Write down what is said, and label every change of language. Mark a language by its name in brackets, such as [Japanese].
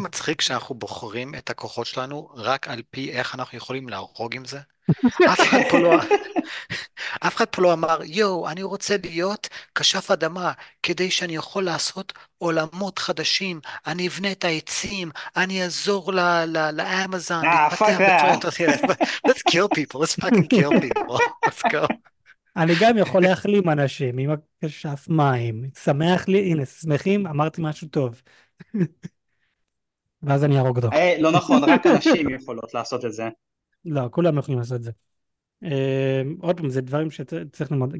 [Hebrew] מצחיק שאנחנו בוחרים את הכוחות שלנו רק על פי איך אנחנו יכולים להרוג עם זה. אף אחד פה לא אמר, יואו, אני רוצה להיות כשף אדמה כדי שאני יכול לעשות עולמות חדשים, אני אבנה את העצים, אני אעזור לאמזון [English] Ah, fuck [Hebrew] להתפתח בצורה [English] that. [Hebrew] יותר... [English] Let's kill people, let's fucking kill people, let's go. [Hebrew] אני גם יכול להחלים אנשים עם הכשף מים. שמח לי, הנה, שמחים, אמרתי משהו טוב. ואז אני ארוג אותו. לא נכון, רק הנשים יכולות לעשות את זה. לא, כולם יכולים לעשות את זה. עוד פעם, זה דברים שצריך ללמוד.